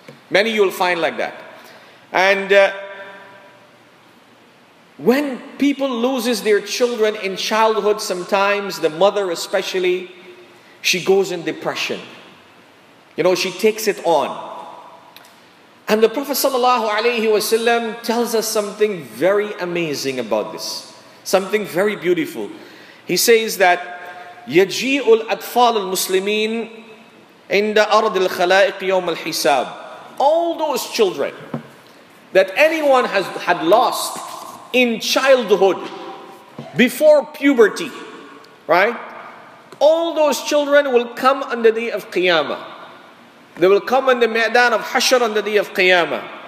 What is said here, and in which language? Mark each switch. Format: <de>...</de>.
<en>Many you will find like that. And when people loses their children in childhood, sometimes the mother especially, she goes in depression. You know, she takes it on. And the Prophet sallallahu alaihi wasallam tells us something very amazing about this. Something very beautiful. He says that</en> <ar>يَجِيءُ الْأَطْفَالُ الْمُسْلِمِينَ عِنْدَ أَرْضِ الْخَلَائِقِ يَوْمَ الْحِسَابِ.</ar> <en>All those children that anyone has had lost in childhood, before puberty, right? All those children will come on the day of Qiyamah. They will come on the Maidan of Hashr on the day of Qiyamah.</en>